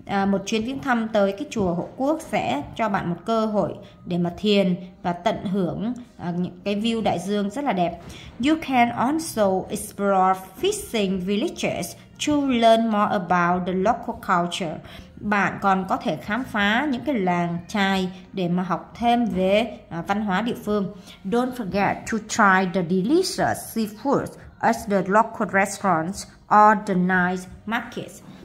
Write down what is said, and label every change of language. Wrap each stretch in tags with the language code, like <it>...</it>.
<vi>Một chuyến viếng thăm tới cái chùa Hộ Quốc sẽ cho bạn một cơ hội để mà thiền và tận hưởng những cái view đại dương rất là đẹp.</vi> <en>You can also explore fishing villages to learn more about the local culture.</en> <vi>Bạn còn có thể khám phá những cái làng chài để mà học thêm về văn hóa địa phương.</vi> <en>Don't forget to try the delicious seafood at the local restaurants or the night markets.</en>